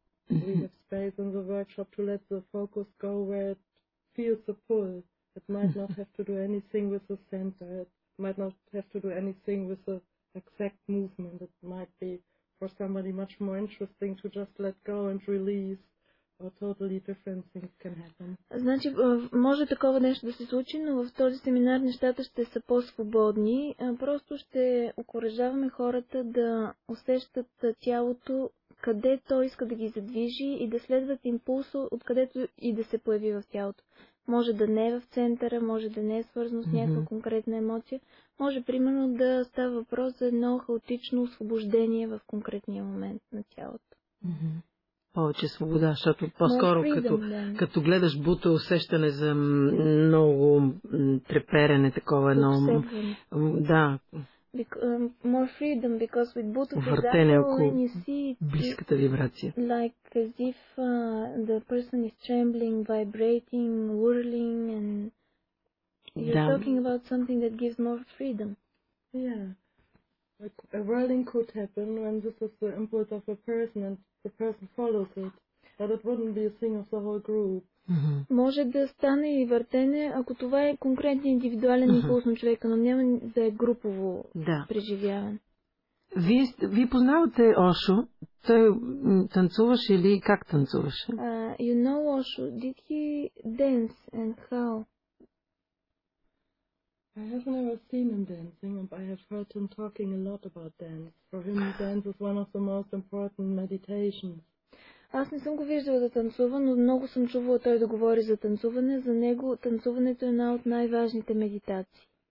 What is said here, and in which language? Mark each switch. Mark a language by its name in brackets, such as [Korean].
[English] We have space in the workshop to let the focus go where it feels a pull. It might not have to do anything with the center. It might not have to do anything with the exact movement. It might be for somebody much more interesting to just let go and release. Or totally different things can happen. [Bulgarian] Значи, може такова нещо да се случи, но в този семинар нещата ще са по-свободни. Просто ще окуражаваме хората да усещат тялото, къде то иска да ги задвижи и да следват импулса, откъдето и да се появи в тялото. Може да не е в центъра, може да не е свързано с някаква конкретна емоция. Може, примерно, да става въпрос за едно хаотично освобождение в конкретния момент на тялото. Повече свобода, защото по-скоро, като гледаш Бута, усещане за много треперене, такова едно... Да. [English] More freedom, because with Bhutto, [Bulgarian] въртене около близката вибрация. [English] Like as if the person is trembling, vibrating, whirling, and you're talking about something that gives more freedom. Yeah. Like a whirling could happen when this is the input of a person and the person follows it, but it wouldn't be a thing of the whole group. [Bulgarian] Може да стане и въртене, ако това е конкретен индивидуален импулс на човека, но няма да е групово преживяване. Вие познавате Ошо? Той танцуваше или как танцуваше? [English] You know Ошо, did he dance and how? I have never seen him dancing, but I have heard him talking a lot about dance. For him, dance is one of the most important meditations. [Bulgarian] Аз не съм го виждала да танцува, но много съм чувала той да говори за танцуване. За него танцуването е една от най-важните медитации.